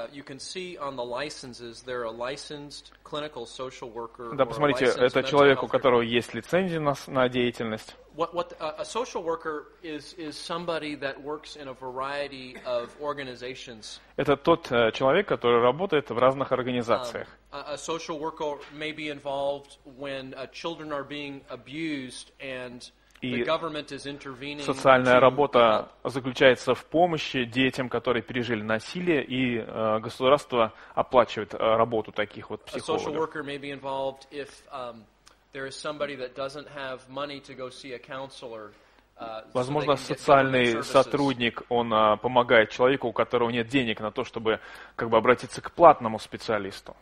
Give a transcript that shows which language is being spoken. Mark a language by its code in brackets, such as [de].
[en] You can see on the licenses they're a licensed clinical social worker. [ru] Да, посмотрите, это человек, у которого есть лицензия на деятельность. [en] What a social worker is somebody that works in a variety of organizations. [ru] Это тот человек, который работает в разных организациях. [en] A social worker may be involved when children are being abused and the government is intervening. [ru] И социальная работа заключается в помощи детям, которые пережили насилие, и государство оплачивает работу таких вот психологов. [en] A social worker may be involved if there is somebody that doesn't have money to go see a counselor. [ru] Возможно, социальный сотрудник, он помогает человеку, у которого нет денег на то, чтобы как бы обратиться к платному специалисту.